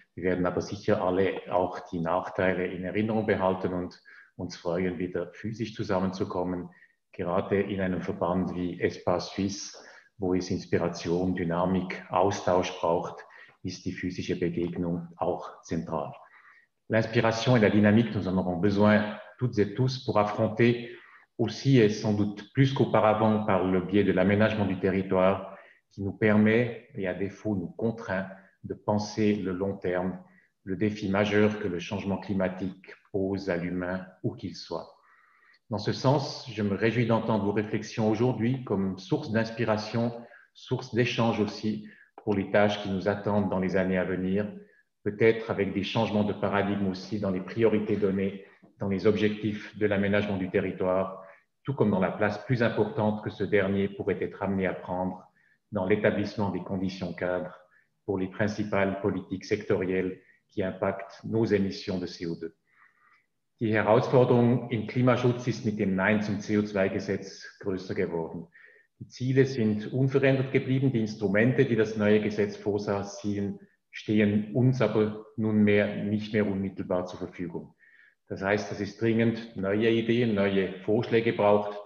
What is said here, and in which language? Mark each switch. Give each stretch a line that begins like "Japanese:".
German: Wir werden aber sicher alle auch die Nachteile in Erinnerung behalten und uns freuen, wieder physisch zusammenzukommen, gerade in einem Verband wie Espace Suisse, wo es Inspiration, Dynamik, Austausch braucht, ist die physische Begegnung auch zentral.
French: L'inspiration et la dynamique, nous en avons besoin toutes et tous pour affronter aussi et sans doute plus qu'auparavant par le biais de l'aménagement du territoire qui nous permet et à défaut nous contraint de penser le long terme, le défi majeur que le changement climatique pose à l'humain, où qu'il soit. Dans ce sens, je me réjouis d'entendre vos réflexions aujourd'hui comme source d'inspiration, source d'échange aussi pour les tâches qui nous attendent dans les années à venir, peut-être avec des changements de paradigme aussi dans les priorités données, dans les objectifs de l'aménagement du territoire, tout comme dans la place plus importante que ce dernier pourrait être amené à prendre dans l'établissement des conditions cadres pour les principales politiques sectorielles qui impactent nos émissions de CO2.
German: Die Herausforderung im Klimaschutz ist mit dem Nein zum CO2-Gesetz größer geworden. Die Ziele sind unverändert geblieben, die Instrumente, die das neue Gesetz vorsahen, stehen uns aber nunmehr nicht mehr unmittelbar zur Verfügung. Das heißt, dass es dringend neue Ideen, neue Vorschläge braucht.